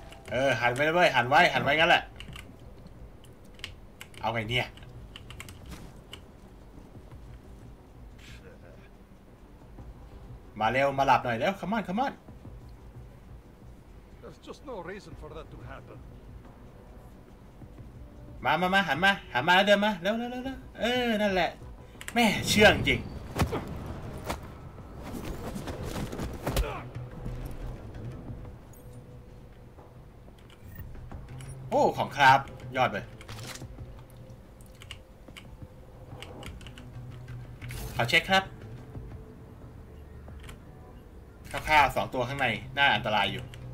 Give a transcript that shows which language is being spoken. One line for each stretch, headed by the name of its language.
Thai: เออหันไว้เลยหันไว้หันไว้งั้นแหละเอาไงเนี่ยมาเร็วมาหลับหน่อยแล้ว
English: come on come on there's just no reason for that to happen
Thai: มามามาหันมาหันมาเดินมาแล้วแล้วแล้วเออนั่นแหละแม่เชื่องจริงโอ้ของครับยอดเลยขอเช็คครับคร่าวๆสองตัวข้างในน่าอันตรายอยู่